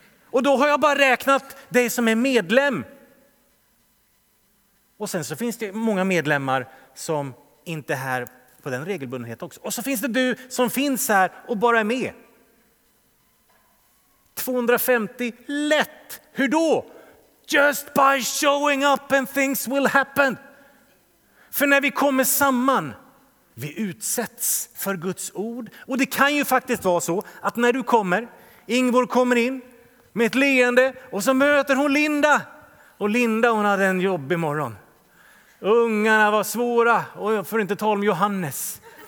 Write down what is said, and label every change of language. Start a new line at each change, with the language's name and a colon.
Swedish: Och då har jag bara räknat dig som är medlem. Och sen så finns det många medlemmar som inte är här på den regelbundenheten också. Och så finns det du som finns här och bara är med. 250, lätt. Hur då?
English: Just by showing up and things will happen.
Swedish: För när vi kommer samman, vi utsätts för Guds ord. Och det kan ju faktiskt vara så att när du kommer, Ingvor kommer in med ett leende och så möter hon Linda. Och Linda, hon hade en jobb imorgon. Ungarna var svåra, och jag får inte tala om Johannes.